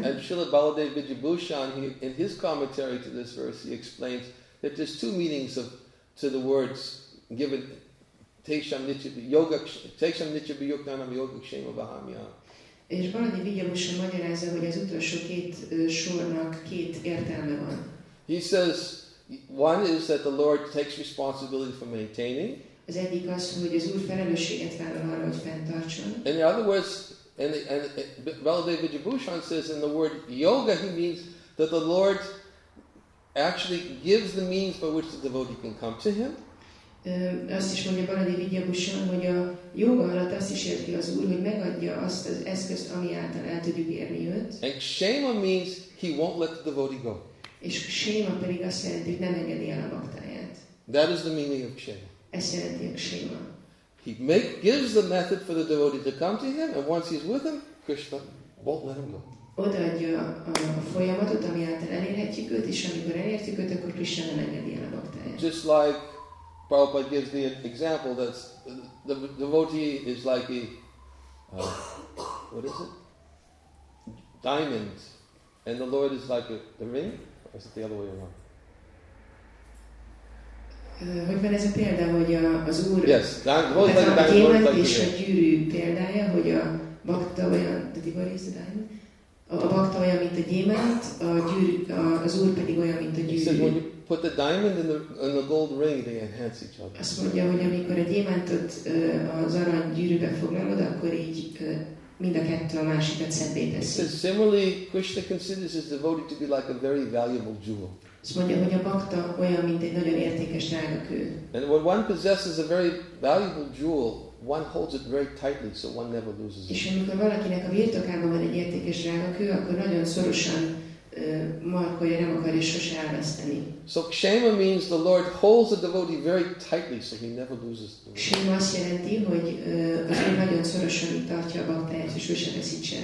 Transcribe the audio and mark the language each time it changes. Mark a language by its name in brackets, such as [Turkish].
[English] And Srila Baladeva Vidyabhushan, in his commentary to this verse, he explains that there's two meanings to the words given Tesham Nichabhi Yoganam Yogakshema Bahamya. [Hungarian] És Baladeva Vidyabhushan magyarázza, hogy az utolsó két sornak két értelme van. [English] He says one is that the Lord takes responsibility for maintaining. [Hungarian] Az egyik az, hogy az Úr felelősséget vállal arra, hogy fenntartson. [English] In the other words, and Baladev Vijayabhushan says in the word yoga, he means that the Lord actually gives the means by which the devotee can come to him. [Hungarian] Azt is mondja Baladev Vijayabhushan, hogy a jóga alatt azt is érti az Úr, hogy megadja azt az eszközt, ami által el tudjuk érni őt. [English] And kshema means he won't let the devotee go. [Hungarian] És kshema pedig azt jelenti, hogy nem engedi el a baktáját. [English] That is the meaning of kshema. [Hungarian] Ezt jelenti a kshema. [English] He gives the method for the devotee to come to him, and once he's with him, Krishna won't let him go. [Hungarian] Odaadja a folyamatot, ami által elérhetjük őt, és amikor elértjük őt, akkor Krishna nem engedi el a baktáját. [English] Just like Prabhupada gives the example that the devotee is like a what is it? Diamond, and the Lord is like the ring, or is it the other way around? [Hungarian] Hogy van ez a példa, hogy az Úr [English] yes, diamond, like a diamond, kémet like [Hungarian] és a gyűrű példája, hogy a bakta olyan, [English] the divine is the diamond. [Hungarian] A bakta olyan, mint a gyémánt, a gyűrű, az Úr pedig olyan, mint a gyűrű. [English] He said, when you put the diamond in the gold ring, they enhance each other. [Hungarian] Azt mondja, hogy amikor a gyémántot az arany gyűrűbe foglalod, akkor így mind a kettő a másikat szebbé teszi. [English] He said, similarly, Krishna considers his devotee to be like a very valuable jewel. [Hungarian] Azt mondja, hogy a bakta olyan, mint egy nagyon értékes drága kő. [English] And when one possesses a very valuable jewel, one holds it very tightly, so one never loses it. [Hungarian] És amikor valakinek a birtokában van egy értékes drága kő, akkor nagyon szorosan markolja, nem akarja sose elveszteni. [English] So kshema means the Lord holds the devotee very tightly, so he never loses it. [Hungarian] Kshema azt jelenti, hogy az Úr nagyon szorosan tartja a baktáját, és sose veszítse